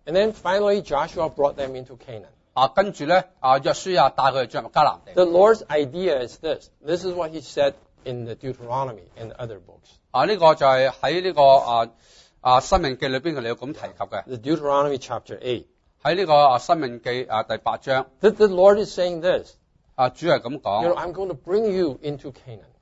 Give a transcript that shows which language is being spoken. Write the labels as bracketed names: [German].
[English] And then finally Joshua brought them into Canaan. [Cantonese] 啊，跟住咧啊，约书亚带佢哋进入迦南地。 [English] The Lord's idea is this. This is what He said in the Deuteronomy and other books. [Cantonese] 啊，呢个就系喺呢个生命记里边佢哋有咁提及嘅。 [English] The Deuteronomy chapter 8. [Cantonese] 喺呢个生命记第八章。 [English] The Lord is saying this. [Cantonese] 啊，主系咁讲。 [English] You know, I'm going to bring you into Canaan.